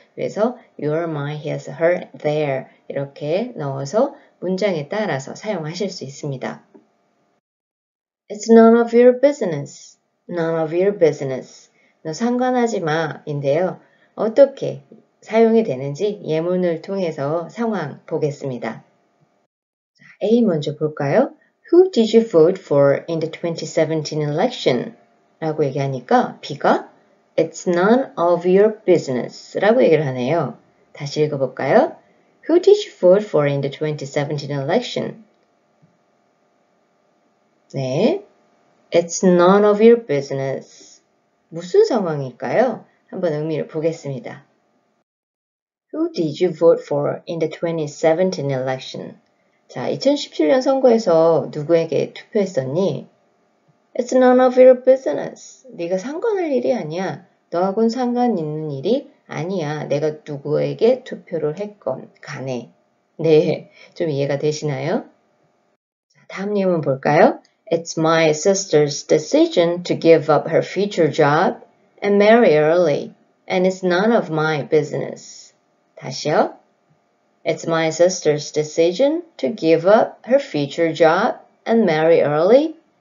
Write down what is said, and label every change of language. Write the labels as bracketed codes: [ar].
[ko] 그래서 your, my, his, her, their 이렇게 넣어서 문장에 따라서 사용하실 수 있습니다. [en] It's none of your business. None of your business. [ko] 너 상관하지 마 인데요. 어떻게 사용이 되는지 예문을 통해서 상황 보겠습니다. A 먼저 볼까요? [en] Who did you vote for in the 2017 election? [ko] 라고 얘기하니까 B가 [en] It's none of your business [ko] 라고 얘기를 하네요. 다시 읽어볼까요? [en] Who did you vote for in the 2017 election? 네, It's none of your business. [ko] 무슨 상황일까요? 한번 의미를 보겠습니다. [en] Who did you vote for in the 2017 election? [ko] 자, 2017년 선거에서 누구에게 투표했었니? [en] It's none of your business. [ko] 네가 상관할 일이 아니야. 너하고는 상관 있는 일이 아니야. 내가 누구에게 투표를 했건 간에. 네, 좀 이해가 되시나요? 다음 예문 볼까요? [en] It's my sister's decision to give up her future job and marry early. And it's none of my business. [ko] 다시요. [en] It's my sister's decision to give up her future job and marry early.